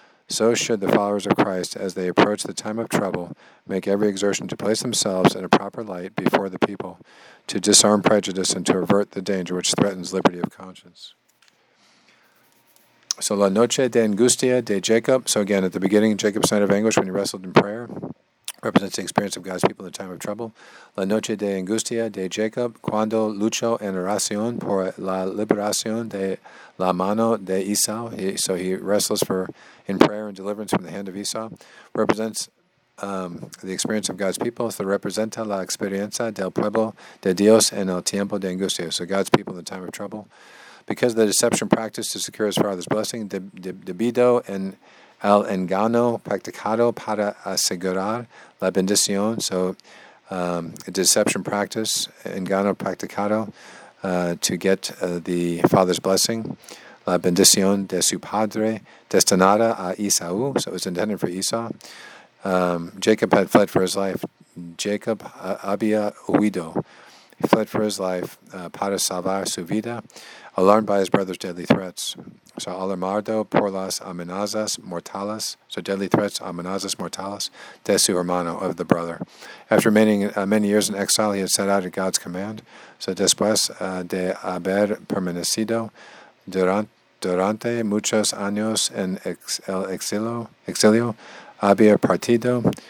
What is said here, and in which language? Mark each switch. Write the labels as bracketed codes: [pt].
[en] So should the followers of Christ, as they approach the time of trouble, make every exertion to place themselves in a proper light before the people, to disarm prejudice and to avert the danger which threatens liberty of conscience. So [es] la noche de angustia de Jacob. [en] So again, at the beginning, Jacob's night of anguish when he wrestled in prayer. Represents the experience of God's people in the time of trouble. [es] La noche de angustia de Jacob, cuando luchó en oración por la liberación de la mano de Esau. [en] So he wrestles in prayer and deliverance from the hand of Esau. Represents the experience of God's people. [es] So representa la experiencia del pueblo de Dios en el tiempo de angustia. [en] So God's people in the time of trouble. Because of the deception practiced to secure his father's blessing, [es] debido en al engano practicado para asegurar la bendición. [en] So, deception practice, [es] engano practicado, [en] to get the father's blessing. [es] La bendición de su padre destinada a Esau. [en] So, it was intended for Esau. Jacob had fled for his life. [es] Jacob había huido. [en] He fled for his life [es] para salvar su vida, [en] alarmed by his brother's deadly threats. [es] So, alarmado por las amenazas mortales, [en] so deadly threats, [es] amenazas mortales, de su hermano, [en] of the brother. After remaining many years in exile, he had set out at God's command. [es] So, después de haber permanecido durante muchos años en el exilio, había partido.